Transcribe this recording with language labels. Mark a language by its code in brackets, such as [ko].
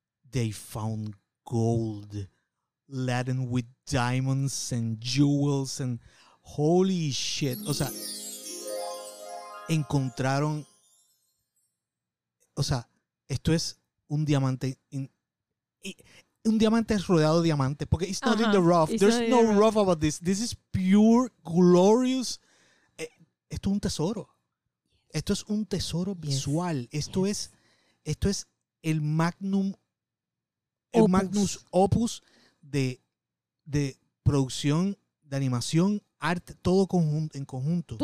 [en] They found gold laden with diamonds and jewels and holy shit. [es] O sea, encontraron. O sea, esto es un diamante. Un diamante rodeado de diamantes. [en] Porque it's not in the rough. There's no rough about this. This is pure, glorious. [es] Esto es un tesoro. Esto es un tesoro visual. Esto es el magnum opus de producción, de animación, arte, todo en conjunto.